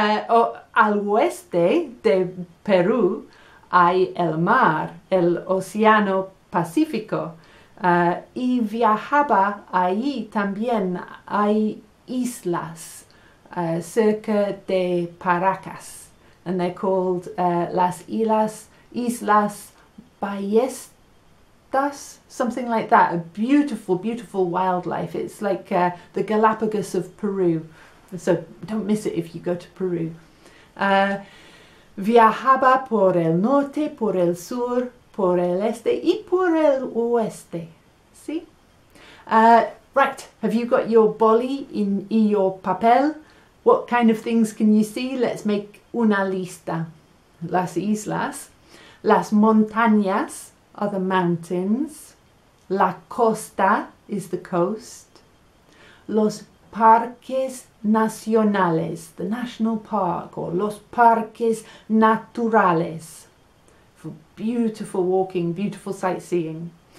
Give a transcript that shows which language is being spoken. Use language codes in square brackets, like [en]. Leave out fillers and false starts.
[es] O al oeste de Perú hay el mar, el océano Pacífico, y viajaba ahí también, hay islas cerca de Paracas, and they're called las islas, islas Ballesta. [en] Us, something like that, a beautiful, beautiful wildlife. It's like the Galapagos of Peru. So don't miss it if you go to Peru. [es] Viajaba por el norte, por el sur, por el este y por el oeste. [en] See? Right, have you got your boli in y your papel? What kind of things can you see? Let's make una lista. [es] Las islas, las montañas, [en] are the mountains. La costa is the coast. Los parques nacionales, the national park, or los parques naturales, for beautiful walking, beautiful sightseeing.